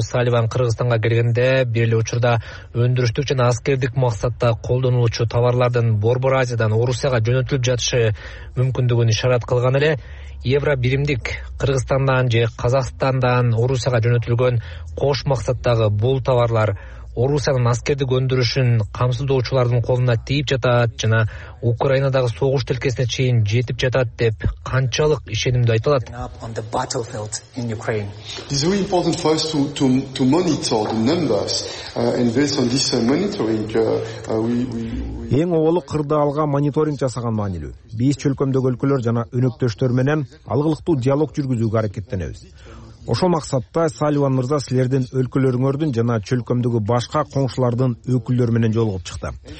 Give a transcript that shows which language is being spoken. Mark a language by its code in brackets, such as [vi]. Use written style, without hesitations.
[ky] Салливан Кыргызстанга келгенде бир эле учурда өндүрүштүк жана аскердик максатта колдонулуучу товарлардын Борбор Азиядан Орусияга жөнөтүлүп жатышы мүмкүндүгүн ишарат кылган эле Евро биримдик Кыргызстандан же Казакстандан Орусияга жөнөтүлгөн кош максаттагы бул товарлар Орусиянын аскердик өндүрүшүн камсыздоочулардын колуна тийип жатат жана Украинадагы согуш тилкесине чейин жетип жатат деп канчалык ишенимдүү айта алат? [en] It's very important for us to monitor the numbers and based on this monitoring [ky] эң оолу кырдаалга мониторинг жасаган маанилүү. Биз чөлкөмдөгү өлкөлөр жана өнөктөштөр менен алгылыктуу диалог жүргүзүүгө аракеттенебиз. Ошол максатта Салливан мырза силердин өлкөлөрүңөрдүн жана чөлкөмдөгү башка коңшулардын өкүлдөрү менен жолугуп чыкты.